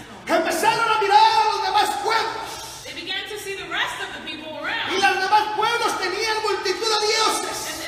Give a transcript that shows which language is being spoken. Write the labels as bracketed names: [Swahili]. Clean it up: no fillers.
[Spanish] Empezaron a mirar a los demás pueblos. [English] They began to see the rest of the people around. [Spanish] Y los demás pueblos tenían multitud de dioses.